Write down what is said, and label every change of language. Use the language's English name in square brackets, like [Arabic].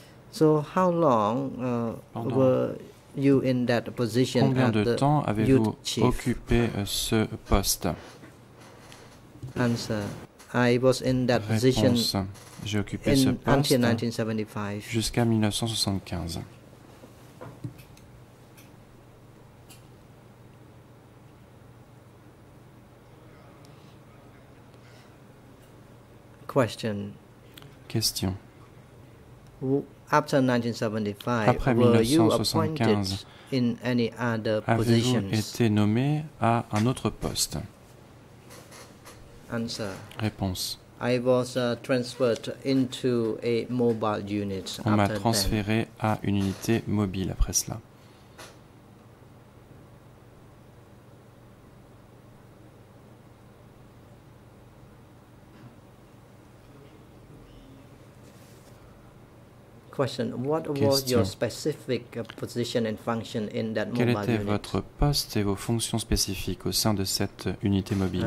[English] So how long were you in that position? [French] Combien de temps avez-vous occupé ce poste? [English] Answer. I was in that [French] réponse. [English] Position. [French] J'ai occupé [English] in [French] ce poste [English] until 1975. [French] Jusqu'à 1975. [English] Question. [French] Question. [English] After 1975, [French] après [English] were 1975, you appointed in any other positions? [French] Été nommé à un autre poste? [English] Answer. [French] Réponse. [English] I was transferred into a mobile unit. [French] On m'a transféré à une unité mobile après cela. [English] Question. What was your specific position and function in that mobile [French] Quel était [English] unit? [French] Votre poste et vos fonctions spécifiques au sein de cette unité mobile?